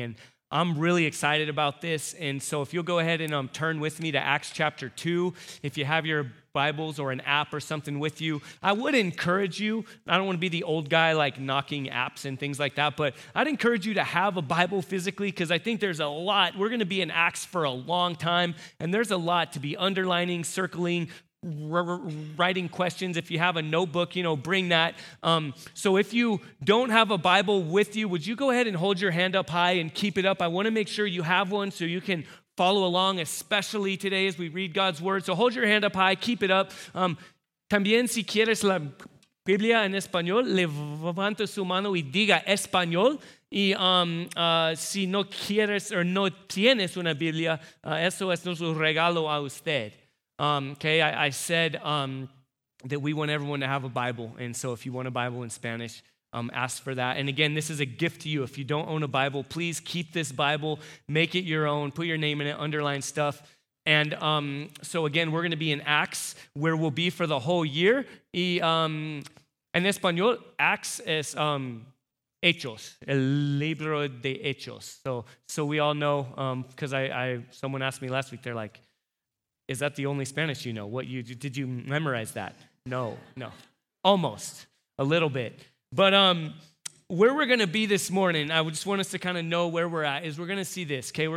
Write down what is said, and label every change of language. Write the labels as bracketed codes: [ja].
[en] And I'm really excited about this. And so if you'll go ahead and turn with me to Acts chapter 2, if you have your Bibles or an app or something with you, I would encourage you, I don't want to be the old guy like knocking apps and things like that, but I'd encourage you to have a Bible physically, because I think there's a lot, we're going to be in Acts for a long time, and there's a lot to be underlining, circling, writing questions. If you have a notebook, you know, bring that. So if you don't have a Bible with you, would you go ahead and hold your hand up high and keep it up? I want to make sure you have one so you can follow along, especially today as we read God's word. So hold your hand up high, keep it up. [es] También si quieres la Biblia en español, levanta su mano y diga español. Y si no quieres o no tienes una Biblia, eso es nuestro regalo a usted. [en] Okay, I said that we want everyone to have a Bible, and so if you want a Bible in Spanish, ask for that. And again, this is a gift to you. If you don't own a Bible, please keep this Bible, make it your own, put your name in it, underline stuff. And so again, we're going to be in Acts, where we'll be for the whole year. [es] Y en español, Acts es Hechos, el libro de Hechos. [en] So we all know, because someone asked me last week, they're like, is that the only Spanish you know? What, you did you memorize that? No. Almost. A little bit. But where we're going to be this morning, I just want us to kind of know where we're at, is we're going to see this, okay?